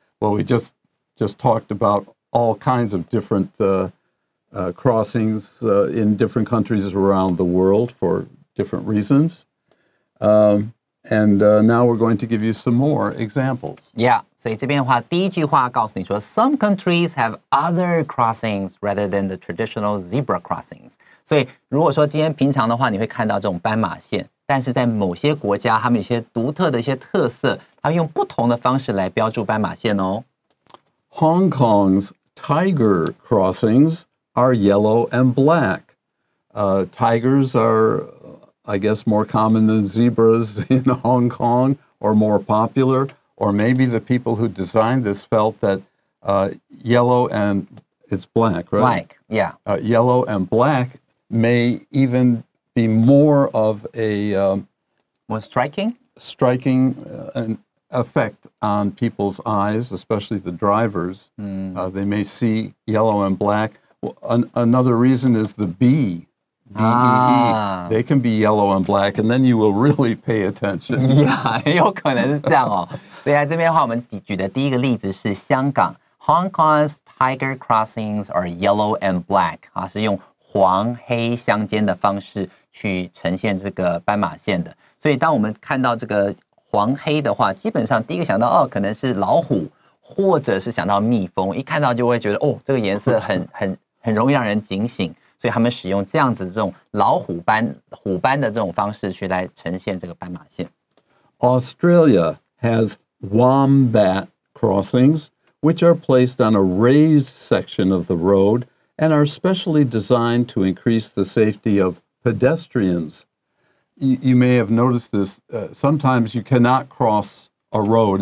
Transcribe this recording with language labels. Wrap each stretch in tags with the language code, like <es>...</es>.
<en>Well, we just talked about all kinds of different crossings in different countries around the world for different reasons. And now we're going to give you some more examples. Yeah,</en> <zh>所以这边的话第一句话告诉你说</zh> <en>Some countries have other crossings rather than the traditional zebra crossings.</en> <zh>所以如果说今天平常的话你会看到这种斑马线但是在某些国家他们有些独特的一些特色他们用不同的方式来标注斑马线哦。</zh> <en>Hong Kong's tiger crossings are yellow and black. Tigers are... I guess more common than zebras in Hong Kong or more popular, or maybe the people who designed this felt that yellow and it's black, right? Black, yeah. Yellow and black may even be more of a... more striking? Striking an effect on people's eyes, especially the drivers. Mm. They may see yellow and black. Another reason is the bee. B-E-E, they can be yellow and black, and then you will really pay attention.</en> <zh>Yeah, 有可能是这样哦。所以在这边的话，我们举的第一个例子是香港。</zh> <en>Hong Kong's tiger crossings are yellow and black.</en> <zh>啊，是用黄黑相间的方式去呈现这个斑马线的。所以当我们看到这个黄黑的话，基本上第一个想到，哦，可能是老虎，或者是想到蜜蜂。一看到就会觉得，哦，这个颜色很容易让人警醒。所以他们使用这样子这种老虎斑虎斑的这种方式去来呈现这个斑马线。</zh> <en>Australia has wombat crossings, which are placed on a raised section of the road and are specially designed to increase the safety of pedestrians. You may have noticed this. Sometimes you cannot cross a road.</en>